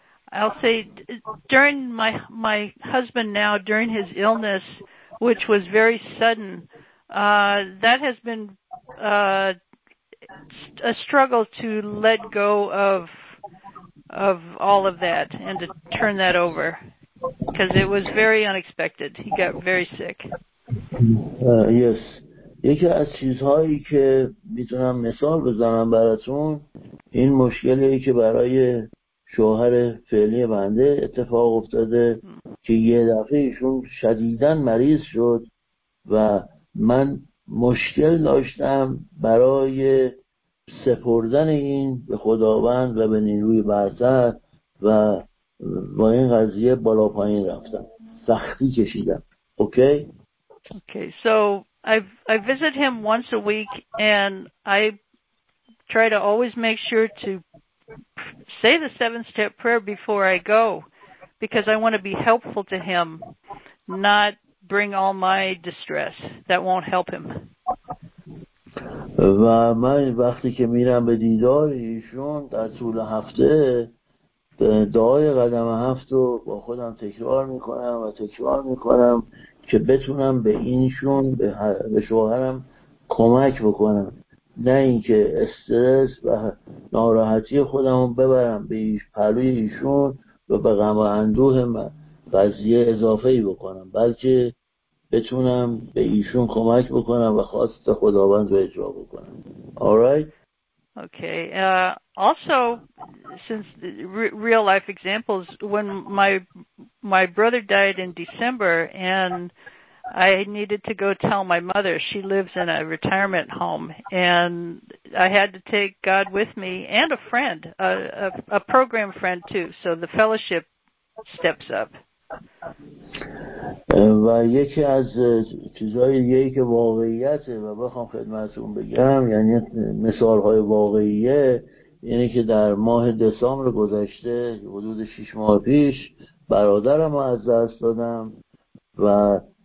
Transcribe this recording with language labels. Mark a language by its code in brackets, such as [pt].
[en] I'll say during my husband now during his illness, which was very sudden, that has been a struggle to let go of all of that and to turn that over because it was very unexpected. He got very sick. Yes. [fa] یکی از چیزهایی که میتونم مثال بزنم براتون این مشکلیه که برای شوهر فعلی بنده اتفاق افتاده که یه دفعه ایشون شدیداً مریض شد و من مشکل داشتم برای سپردن این به خداوند و به نیروی برتر و با این قضیه بالا پایین رفتم، سختی کشیدم. [en] Okay? Okay, so I visit him once a week, and I try to always make sure to say the seven-step prayer before I go, because I want to be helpful to him, not bring all my distress. That won't help him. [fa] و من وقتی که میرم به دیدار ایشون در طول هفته دعای قدم هفت رو با خودم تکرار میکنم و تکرار میکنم که بتونم به اینشون به شوهرم کمک بکنم، نه اینکه استرس و ناراحتی خودم رو ببرم به پلوی ایشون و به غم و اندوه من قضیه اضافه ای بکنم، بلکه بتونم به ایشون کمک بکنم و خواست خداوند رو اجرا بکنم. [en] Alright. Okay. Also, since real life examples, when my brother died in December and I needed to go tell my mother, she lives in a retirement home, and I had to take God with me and a friend, a program friend too, so the fellowship steps up. [fa] و یکی از چیزهای دیگه ای که واقعیته و بخوام خدمتتون بگم، یعنی مثالهای واقعیه، اینه که در ماه دسامبر گذشته حدود 6 ماه پیش برادرم رو از دست دادم و